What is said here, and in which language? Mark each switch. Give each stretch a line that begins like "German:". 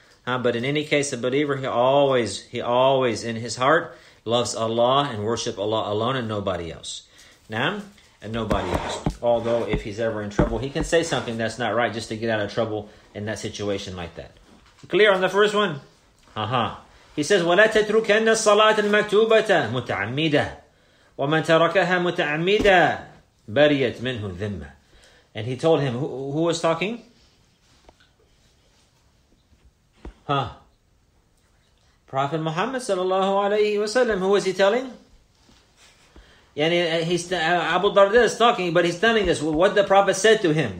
English: But in any case, a believer, he always, in his heart, loves Allah and worship Allah alone and nobody else. Now, and nobody else. Although, if he's ever in trouble, he can say something that's not right just to get out of trouble in that situation like that. Clear on the first one? Uh-huh.
Arabic: He says, وَلَا تَتْرُكَنَّ الصَّلَاةَ الْمَكْتُوبَةَ مُتَعَمِّدًا وَمَنْ تَرَكَهَا مُتَعَمِّدًا بَرِيَتْ مِنْهُ ذِمَّةً.
English: And he told him, who was talking? Huh? Prophet Muhammad sallallahu alayhi wasallam. Who is he telling? Yani, Abu Darda is talking, but he's telling us what the Prophet said to him.